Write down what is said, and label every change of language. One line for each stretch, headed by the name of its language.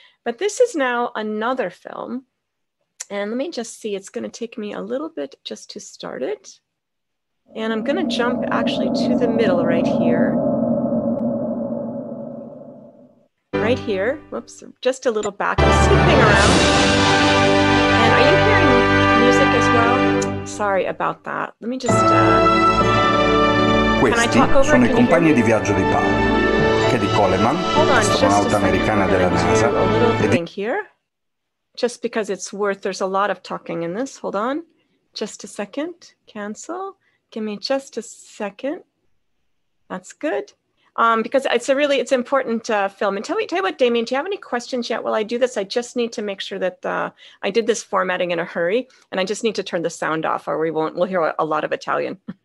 English: But this is now another film. And let me just see, it's gonna take me a little bit just to start it. And I'm gonna jump actually to the middle right here. Right here, whoops, just a little back, I'm skipping around. And are you hearing music as well? Sorry about that. Let me just
Italian: sono i compagni di viaggio di Paolo, Cady Coleman, astronauta americana della NASA.
English: Think here. Just because it's worth, there's a lot of talking in this. Hold on. Just a second. Cancel. Give me just a second. That's good. Because it's important film. And tell me what, Damien, do you have any questions yet while I do this? I just need to make sure that I did this formatting in a hurry, and I just need to turn the sound off or we'll hear a lot of Italian.